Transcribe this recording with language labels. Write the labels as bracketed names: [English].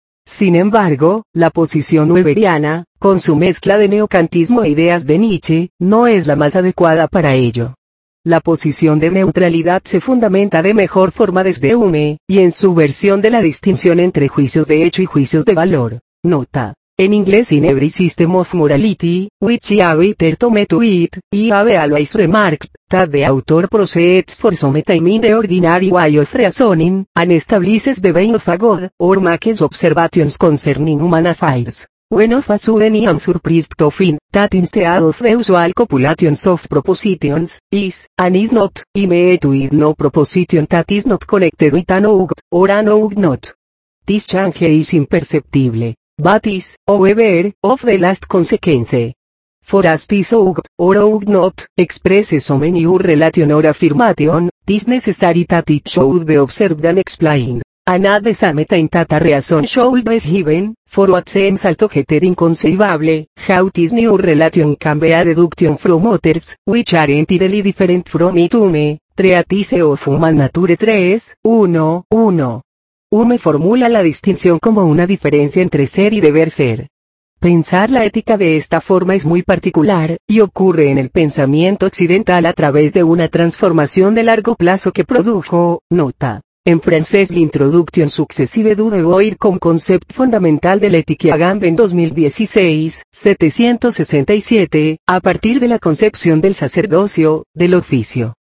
[Spanish] Sin embargo, la posición weberiana, con su mezcla de neocantismo e ideas de Nietzsche, no es la más adecuada para ello. La posición de neutralidad se fundamenta de mejor forma desde Hume, y en su versión de la distinción entre juicios de hecho y juicios de valor. Nota. En inglés [English] in every system of morality, which is better to meet it, I have always remarked, that the author proceeds for some time in the ordinary way of reasoning, and establishes the vein of a God, or makes observations concerning human affairs. When of a sudden I am surprised to find, that instead of the usual copulations of propositions, is, and is not, I may to it no proposition that is not connected with an ought, or an ought not. This change is imperceptible. But is, however, of the last consequence. For as this ought, or ought not, expresses so many a relation or affirmation, tis necessary that it should be observed and explained. And at the same time that a reason should be given, for what seems altogether inconceivable, how this new relation can be a deduction from others, which are entirely different from it Hume, Treatise of Human Nature 3, 1, 1. [Spanish] Hume formula la distinción como una diferencia entre ser y deber ser. Pensar la ética de esta forma es muy particular, y ocurre en el pensamiento occidental a través de una transformación de largo plazo que produjo, nota. En francés [French] l'introduction successive du devoir comme concept fundamental de l'éthique [Spanish] Agamben 2016, 767, a partir de la concepción del sacerdocio, del oficio.